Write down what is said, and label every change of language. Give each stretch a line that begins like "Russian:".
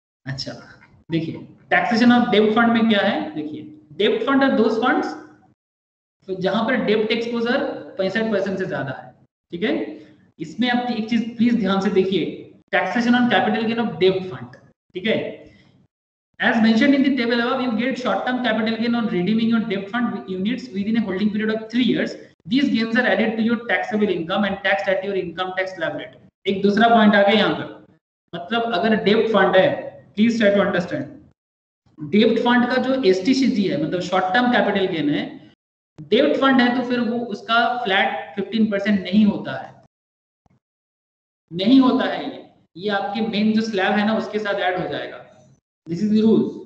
Hindi: अच्छा देखिए, taxation of डेब्ट फंड में क्या है. देखिए,
English: डेब्ट fund are those funds
Hindi: जहां पर डेब्ट एक्सपोजर 65% से ज्यादा है, ठीक है. इसमें आप एक चीज प्लीज ध्यान से देखिए, taxation on capital gain of डेब्ट फंड, ठीक है,
English: As mentioned in the table above, you get short-term capital gain on redeeming your debt fund units within a holding period of 3 years. These gains are added to your taxable income and taxed at your income tax level.
Hindi: एक दूसरा point आ गया यहाँ पर, मतलब अगर डेब्ट fund है,
English: please try to understand.
Hindi: डेब्ट फंड का जो STCG है, मतलब शॉर्ट टर्म कैपिटल गेन है, डेब्ट फंड है तो फिर वो उसका फ्लैट 15% नहीं होता है ये आपके मेन जो स्लैब है ना उसके साथ ऐड हो जाएगा.
English: This is the rule.